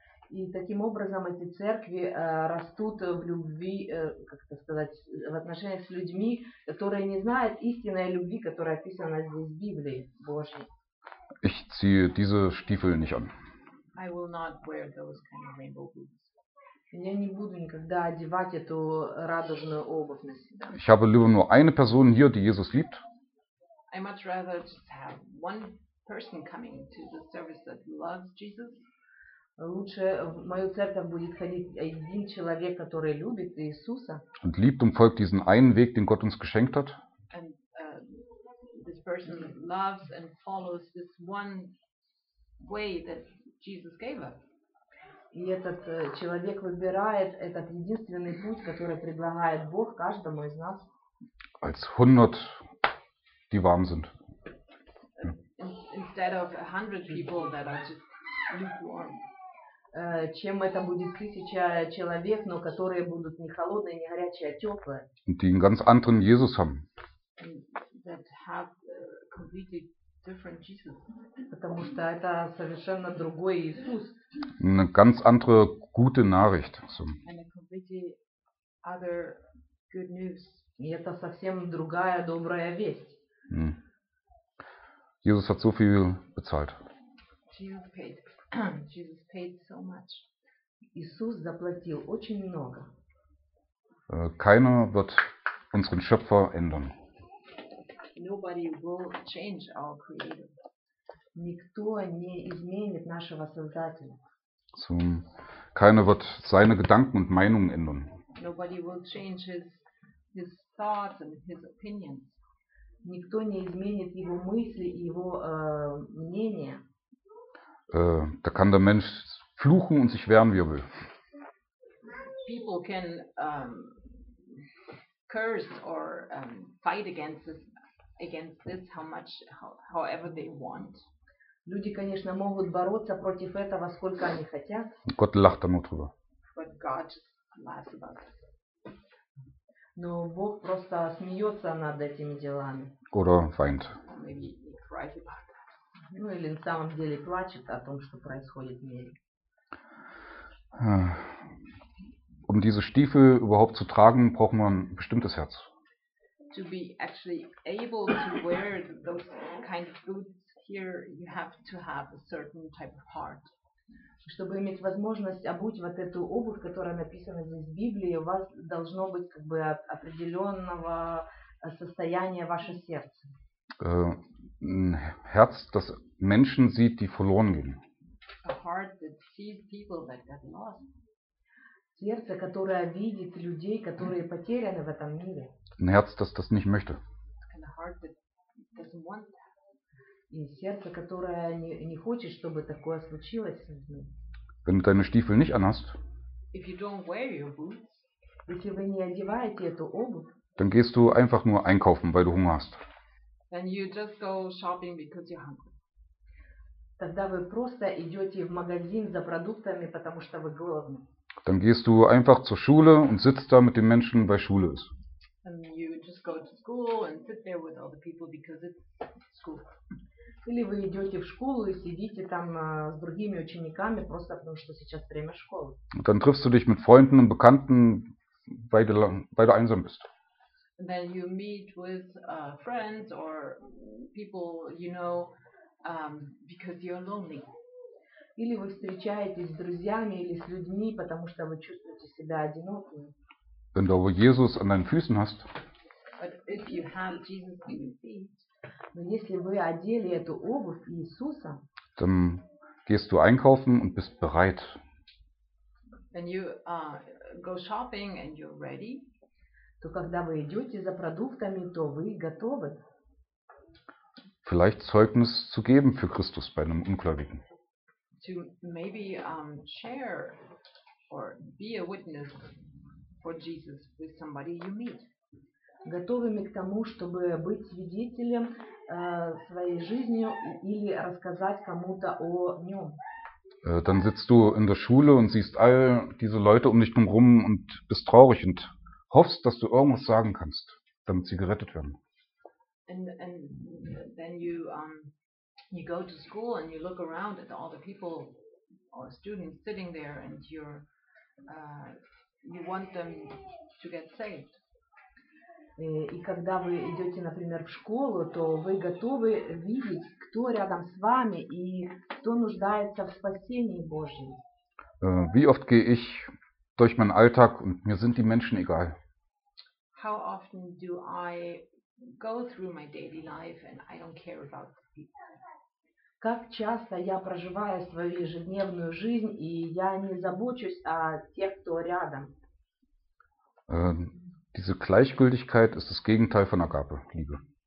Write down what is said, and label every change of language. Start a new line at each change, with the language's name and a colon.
Russian: И таким образом эти церкви растут в любви, как это сказать, в отношениях с людьми, которые не знают истинной любви, которая описана здесь в Библии Божьей.
German: Ich ziehe diese Stiefel nicht an.
English: I will not wear those kind of rainbow boots.
Russian: Я не буду никогда одевать эту радужную обувь на себя.
German: Ich habe lieber nur eine Person hier, die Jesus liebt.
English: I much rather just have one person coming to the service that loves Jesus.
Russian: Лучше в мою церковь будет ходить один человек, который любит Иисуса.
German: Und liebt und folgt diesen einen Weg, den Gott uns geschenkt hat.
English: And this person loves and follows this one way that Jesus gave us.
Russian: И этот человек выбирает этот единственный путь, который предлагает Бог каждому из нас.
German: Als 100, die warm sind.
English: Instead of 100 people that are just lukewarm.
Russian: Чем это будет 1000 человек, но которые будут не холодные, не горячие, а теплые.
German: Und die einen ganz anderen Jesus haben.
English: That have completely different Jesus.
Russian: Потому что это совершенно другой Иисус.
German: Eine ganz andere gute Nachricht. So.
English: And a completely other good news.
Russian: И это совсем другая добрая весть.
German: Mm. Jesus hat so viel bezahlt.
English: Jesus paid. Jesus paid so much.
Russian: Иисус заплатил очень много.
German: Keiner wird unseren Schöpfer ändern.
English: Nobody will change our creator.
Russian: Никто не изменит нашего создателя.
German: So, keiner wird seine Gedanken und Meinungen ändern.
English: Nobody will change his thoughts and his opinions.
Russian: Никто не изменит его мысли и его мнения.
German: Da kann der Mensch fluchen und sich wehren, wie er will.
English: People can curse or fight against this however they want.
Russian: Люди, конечно, могут бороться против этого, сколько они хотят.
German: Gott lacht dann nur drüber.
English: But God just laughs about it.
Russian: Но Бог просто смеется над этими делами.
German: Oder weint.
English: Maybe he cries about it.
Russian: Ну или на самом деле плачет о том, что происходит в мире.
German: Um diese Stiefel überhaupt zu tragen, braucht man ein bestimmtes Herz.
English: To be actually able to wear those kind of boots here, you have to have a certain type of heart.
Russian: Чтобы иметь возможность обуть вот эту обувь, которая написана здесь в Библии, у вас должно быть как бы определенного состояния ваше сердце.
German: Ein Herz, das Menschen sieht, die verloren gehen.
English: A heart that sees people that got lost.
Russian: Сердце, которое видит людей, которые потеряны в этом мире.
German: Ein Herz, das das nicht möchte.
English: And a heart that doesn't want that.
Russian: сердце, которое не хочет, чтобы такое случилось.
German: Wenn du deine Stiefel nicht anhast,
English: if you don't wear your boots,
Russian: если вы не одеваете эту обувь,
German: dann gehst du einfach nur einkaufen, weil du Hunger hast.
English: Then you just go shopping because you're hungry.
Russian: Тогда вы просто идете в магазин за продуктами, потому что вы голодны.
German: Dann gehst du einfach zur Schule und sitzt da mit den Menschen, weil Schule ist.
English: And you just go to school and sit there with all the people because it's school.
Russian: Или вы идете в школу и сидите там с другими учениками просто потому что сейчас время школы.
German: Und dann triffst du dich mit Freunden und Bekannten, weil du einsam bist.
English: And then you meet with friends or people you know because you're lonely.
Russian: Или вы встречаетесь с друзьями или с людьми, потому что вы чувствуете себя одиноким.
German: Wenn du aber Jesus an deinen Füßen hast,
English: but if you have Jesus in your feet,
Russian: но если вы одели эту обувь Иисуса,
German: dann gehst du einkaufen und bist bereit.
English: When you go shopping and you're ready,
Russian: то когда вы идете за продуктами, то вы готовы.
German: Vielleicht Zeugnis zu geben für Christus bei einem Ungläubigen.
English: To maybe share or be a witness for Jesus with somebody you meet.
Russian: Готовыми к тому, чтобы быть свидетелем своей жизнью или рассказать кому-то о нем.
German: Dann sitzt du in der Schule und siehst all diese Leute um dich herum und bist traurig und hoffst, dass du irgendwas sagen kannst, damit sie gerettet werden.
English: And then you you go to school and you look around at all the people or students sitting there and you're you want them to get saved.
Russian: И когда вы идете, например, в школу, то вы готовы видеть, кто рядом с вами и кто нуждается в спасении Божьем.
German: Wie oft gehe ich durch meinen Alltag und mir sind die Menschen egal?
English: How often do I go through my daily life and I don't care about the people?
Russian: Как часто я проживаю свою ежедневную жизнь, и я не забочусь о тех, кто рядом.
German: Diese Gleichgültigkeit ist das Gegenteil von Agape, Liebe.